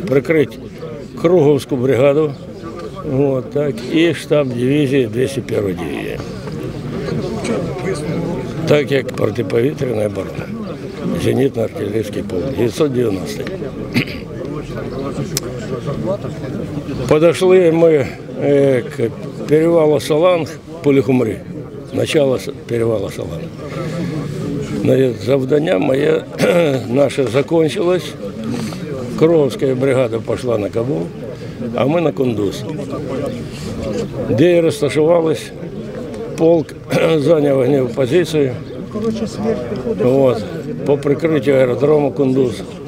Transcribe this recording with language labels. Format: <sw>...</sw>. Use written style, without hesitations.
<uk>Прикрити Круговську бригаду от, так, і штаб дивізії 201-ї дивізії. Так як протиповітряна оборона. Зенітно-артилерійський полк 990.</uk> <ru>Подошли ми к перевалу Саланг, Пулихумри, начало перевалу Саланг.</ru> <uk>Завдання моє наше закончилось, Кровська бригада пішла на Кабул, а ми на Кундуз. Де я розташувалися, полк зайняв огневу позицію, по прикриттю аеродрому Кундуз.</uk>